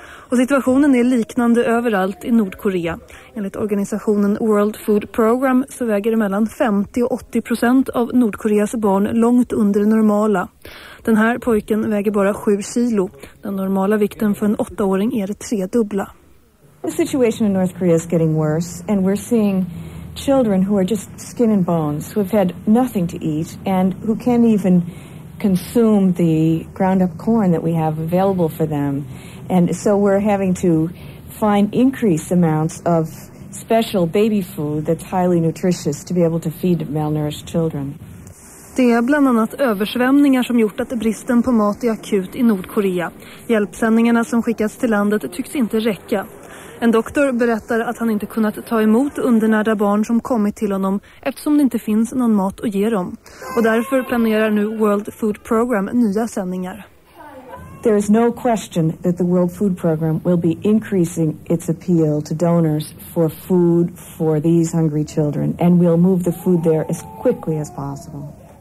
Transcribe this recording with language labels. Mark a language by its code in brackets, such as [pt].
[sv] Och situationen är liknande överallt i Nordkorea. Enligt organisationen World Food Program så väger mellan 50-80% av Nordkoreas barn långt under det normala. Den här pojken väger bara 7 kilo. Den normala vikten för en 8-åring är det tredubbla. [en] The situation in North Korea is getting worse, and we're seeing children who are just skin and bones, who have had nothing to eat, and who can't even consume the ground-up corn that we have available for them. And so we're having to find increased amounts of special baby food that's highly nutritious to be able to feed malnourished children. [sv] Det är bland annat översvämningar som gjort att bristen på mat är akut i Nordkorea. Hjälpsändningarna som skickas till landet tycks inte räcka. En doktor berättar att han inte kunnat ta emot undernärda barn som kommit till honom eftersom det inte finns någon mat att ge dem. Och därför planerar nu World Food Program nya sändningar. [en] There is no question that the World Food Program will be increasing its appeal to donors for food for these hungry children and will move the food there as quickly as possible.